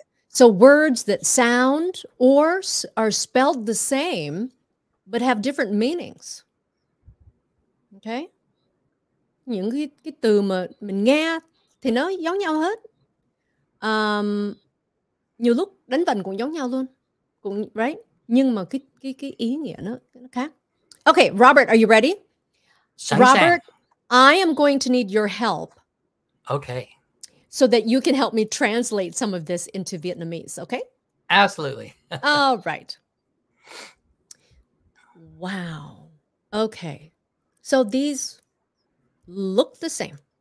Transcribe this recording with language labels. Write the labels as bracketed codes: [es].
[en] So words that sound or are spelled the same but have different meanings. Okay? [vi] Những cái từ mà mình nghe thì nó giống nhau hết. Nhiều lúc đánh vần cũng giống nhau luôn. Cũng right? Nhưng mà cái ý nghĩa nó khác. [en] Okay, Robert, are you ready? Robert, I am going to need your help. Okay. So that you can help me translate some of this into Vietnamese, okay? Absolutely. All right. Wow. Okay. So these look the same.